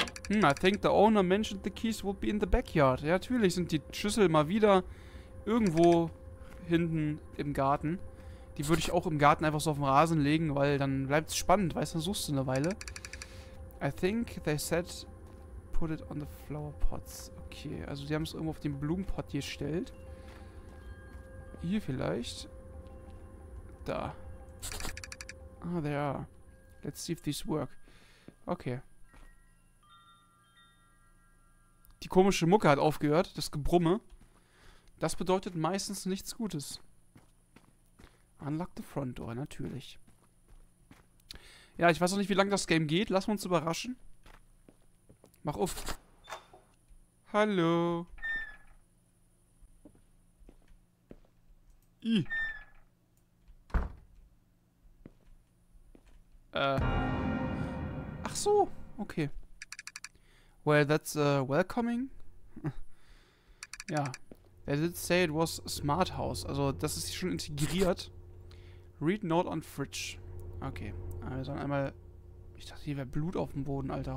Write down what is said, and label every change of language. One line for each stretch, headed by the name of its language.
English: I think the owner mentioned the keys would be in the backyard.
German: Ja, natürlich sind die Schlüssel mal wieder irgendwo hinten im Garten. Die würde ich auch im Garten einfach so auf den Rasen legen, weil dann bleibt es spannend, weißt du, dann suchst du eine Weile.
English: I think they said put it on the flower pots.
German: Okay, also die haben es irgendwo auf den Blumenpot gestellt. Hier vielleicht. Da.
English: Ah, there are. Let's see if these work. Okay.
German: Die komische Mucke hat aufgehört, das Gebrumme. Das bedeutet meistens nichts Gutes.
English: Unlock the front door, natürlich.
German: Ja, ich weiß auch nicht, wie lange das Game geht. Lass uns überraschen. Mach auf. Hallo. Ach so, okay.
English: Well, that's welcoming. Ja, they did say it was a smart house.
German: Also, das ist schon integriert.
English: Read note on fridge.
German: Okay, wir sollen einmal Ich dachte, hier wäre Blut auf dem Boden, Alter.